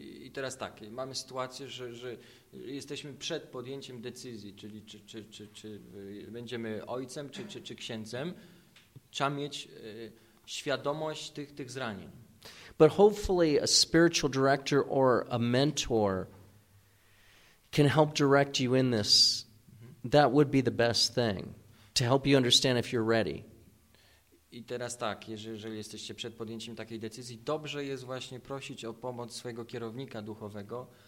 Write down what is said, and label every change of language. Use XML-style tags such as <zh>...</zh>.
<pl>I teraz tak, mamy sytuację, że jesteśmy przed podjęciem decyzji, czyli czy będziemy ojcem, czy księdzem, trzeba mieć świadomość tych zranień.</pl> <en>But hopefully a spiritual director or a mentor can help direct you in this. That would be the best thing to help you understand if you're ready.</en> <pl>I teraz tak, jeżeli jesteście przed podjęciem takiej decyzji, dobrze jest właśnie prosić o pomoc swojego kierownika duchowego,</pl>